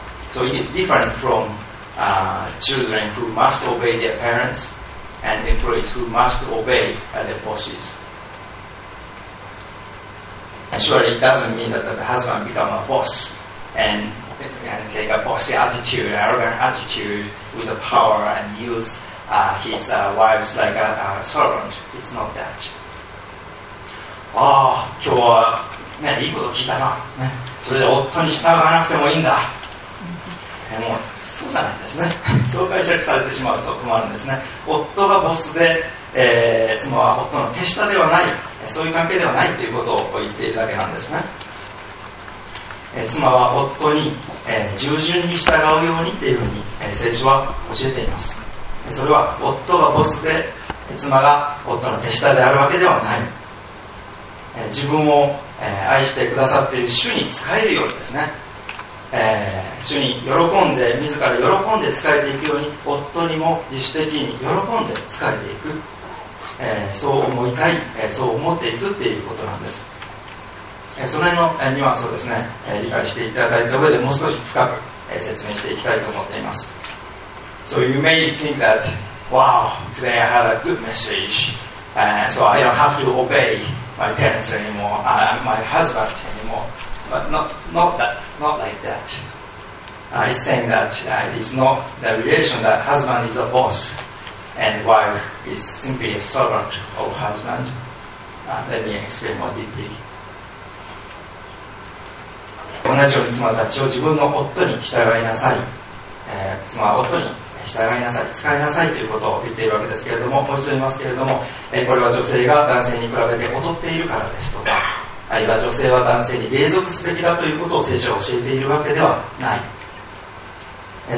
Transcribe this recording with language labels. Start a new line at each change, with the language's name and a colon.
English: So it is different from children who must obey their parents and employees who must obey their bosses. And surely it doesn't mean that the husband becomes a boss and take a bossy attitude, an arrogant attitude with the power and use his wives like a servant. It's not that.
Japanese: ああ、今日は、ね、いいこと聞いたな、ね。それで夫に従わなくてもいいんだ。もうそうじゃないんですね。そう解釈されてしまうと困るんですね。夫がボスで、妻は夫の手下ではない、そういう関係ではないということを言っているだけなんですね。妻は夫に、従順に従うようにというふうに、聖書は教えています。それは夫がボスで、妻が夫の手下であるわけではない、自分を、愛してくださっている主に仕えるようにですね、主に喜んで、自ら喜んで仕えていくように、夫にも自主的に喜んで仕えていく、そう思いたい、そう思っていくっていうことなんです。その辺のニュアンスをですね、理解していただいた上でもう少し深く、説明していきたいと思っています。
English: So you may think that Wow, today I had a good message、So I don't have to obey my parents anymore and my husband anymoreBut not like that. It's saying that it is not the relation that husband is a boss and wife is simply a servant of husband. Let me explain more deeply.
Japanese: 同じように妻たちを自分の夫に従いなさい、妻は夫に従いなさい、使いなさいということを言っているわけですけれども、もう一度言いますけれども、これは女性が男性に比べて劣っているからですとか、あるいは女性は男性に隷属すべきだということを聖書は教えているわけではない。